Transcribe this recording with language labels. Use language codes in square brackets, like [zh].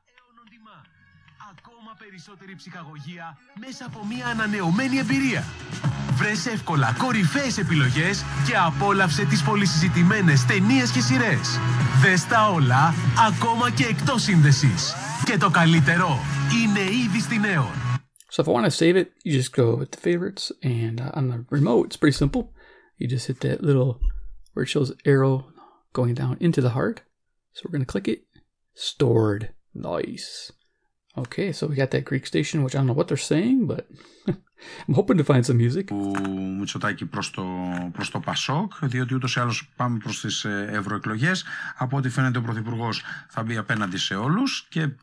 [el] Ακόμα περισσότερη ψυχαγωγία μέσα από μια ανανεωμένη εμπειρία. Βρες εύκολα κορυφαίες επιλογές και απόλαυσε τις πολυσυζητημένες ταινίες και σειρές. Δες τα όλα, ακόμα και εκτός σύνδεσης. Και το καλύτερο είναι ήδη στην ΕΟΝ. [en] So if I want to save it, you just go with the favorites and on the remote, it's pretty simple. You just hit that little, where it shows arrow going down into the heart. So we're going to click it. Stored. Nice. Okay, so we got that Greek station, which I don't know what they're saying, but I'm hoping to find some music. [el] Μητσοτάκη προς το Πασόκ, διότι ούτως ή άλλως πάμε προς τις ευρωεκλογές. Από ό,τι φαίνεται ο Πρωθυπουργός θα μπει απέναντι σε όλους και...